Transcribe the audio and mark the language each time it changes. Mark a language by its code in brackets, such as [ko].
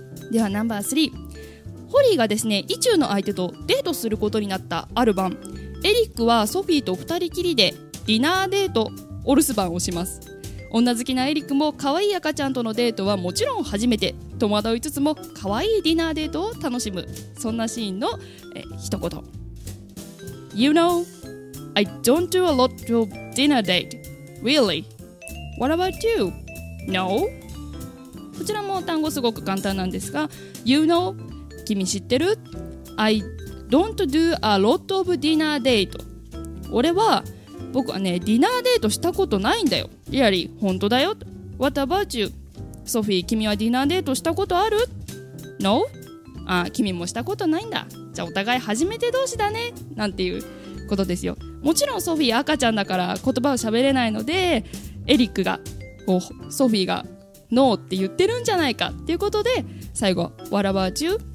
[ja] ではナンバー3、ホリーがですね、イチューの相手とデートすることになったある晩、エリックはソフィーと二人きりでディナーデート、お留守番をします。女好きなエリックも可愛い赤ちゃんとのデートはもちろん初めて、戸惑いつつも可愛いディナーデートを楽しむ、そんなシーンの一言。 [en] You know, I don't do a lot of dinner date, really. What about you? No? [ja] こちらも単語すごく簡単なんですが、 [en] You know, [ja] 君知ってる？ [en] I don't do a lot of dinner date. [ja] 俺は、僕はね、ディナーデートしたことないんだよ。リアリー、本当だよ。 [en] What about you? [ja] ソフィー、君はディナーデートしたことある？ [en] No? [ja] あ、君もしたことないんだ。じゃあお互い初めて同士だね。なんていうことですよ。もちろんソフィー赤ちゃんだから言葉を喋れないので、エリックが、ソフィーが No って言ってるんじゃないかっていうことで、最後、 [en] What about you?